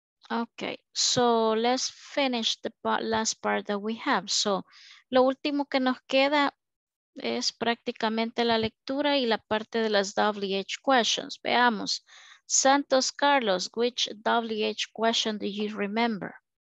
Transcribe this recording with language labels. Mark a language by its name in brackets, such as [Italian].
[English] Okay, so let's finish the last part that we have. [Spanish] So, lo último que nos queda es prácticamente la lectura y la parte de las WH questions. Veamos. [English] Santos Carlos, which WH question do you remember?